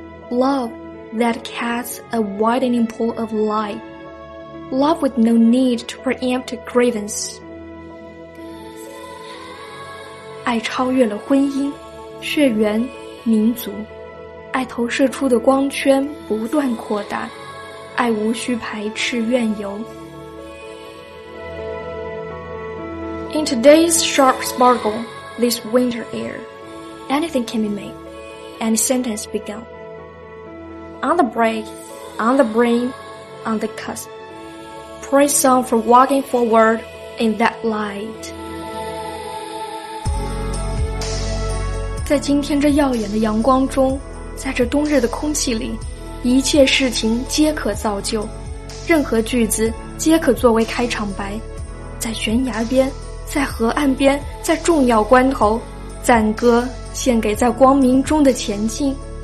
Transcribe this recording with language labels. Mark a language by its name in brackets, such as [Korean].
[English] Love that casts a widening pool of light. Love with no need to preempt grievance. [Chinese] 爱超越了婚姻、血缘、民族，爱投射出的光圈不断扩大，爱无需排斥怨尤。 [English] In today's sharp sparkle,This winter air, anything can be made, any sentence begun. On the break, on the brain, on the cusp. Praise song for walking forward in that light. [Chinese] 在今天这耀眼的阳光中，在这冬日的空气里，一切事情皆可造就，任何句子皆可作为开场白，在悬崖边。在河岸边，在重要关头，赞歌献给在光明中的前进。